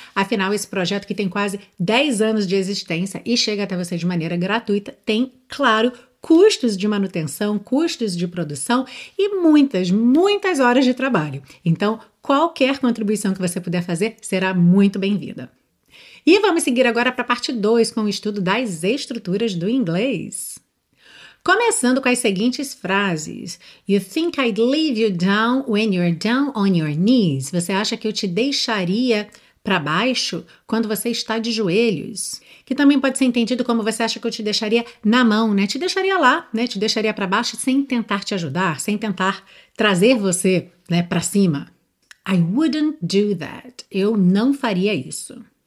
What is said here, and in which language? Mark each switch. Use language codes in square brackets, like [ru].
[pt] Afinal, esse projeto que tem quase 10 anos de existência e chega até você de maneira gratuita, tem, claro, custos de manutenção, custos de produção e muitas, muitas horas de trabalho. Então, qualquer contribuição que você puder fazer será muito bem-vinda. E vamos seguir agora para a parte 2, com o estudo das estruturas do inglês. Começando com as seguintes frases: [en] You think I'd leave you down when you're down on your knees? [pt] Você acha que eu te deixaria para baixo quando você está de joelhos? Que também pode ser entendido como você acha que eu te deixaria na mão, né? Te deixaria lá, né? Te deixaria para baixo sem tentar te ajudar, sem tentar trazer você, né, para cima. [en] I wouldn't do that. [pt] Eu não faria isso.